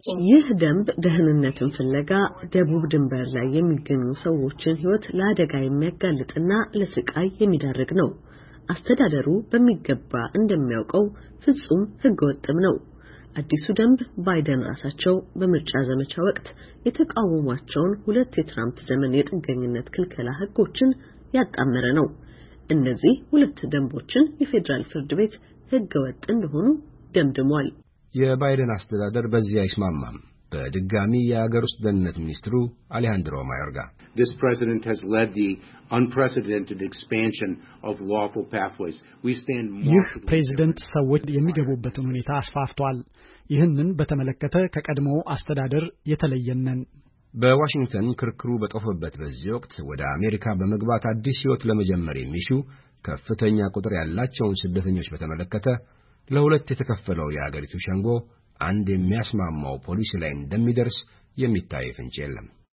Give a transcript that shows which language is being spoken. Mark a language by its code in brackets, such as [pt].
[am] ይህ ደንብ ደህንነትን ፍለጋ ደቡብ ድንበር ላይ የሚገኙ ሰዎችን ህይወት ለአደጋ የሚያጋልጥና ለስቃይ የሚዳርግ ነው። አስተዳደሩ በሚገባ እንደሚያውቀው ፍጹም ህገወጥም ነው። አዲሱ ደንብ ባይደን ራሳቸው በምርጫ ዘመቻ ወቅት የተቃወሟቸውን ሁለት የትራምፕ ዘመን የጥገኝነት ክልከላ ህጎችን ያጣመረ ነው። እነዚህ ሁለት ደንቦችን የፌደራል ፍርድ ቤት ህገወጥ እንደሆኑ ደምድሟል። የባይደን አስተዳደር በዚህ አይስማማም። በድጋሚ የሀገር ውስጥ ደህንነት ሚኒስትሩ አሌሃንድሮ ማዮርጋ [en] This president has led the unprecedented expansion of lawful pathways. We stand more [am] ይህ ፕሬዝዳንት ሰውት የሚገቡበትን ሁኔታ አስፋፍቷል። ይህንን በተመለከተ ከቀድሞ አስተዳደር የተለየነን በዋሽንግተን ክርክሩ በጠፈበት በዚህ ወቅት ወደ አሜሪካ በመግባት አዲስ ህይወት ለመጀመር የሚሹ ከፍተኛ ቁጥር ያላቸውን ስደተኞች በተመለከተ ለሁለት የተከፈለው የሀገሪቱ ሸንጎ አንድ የሚያስማማው ፖሊሲ ላይ እንደሚደርስ የሚታይ ፍንጭ የለም።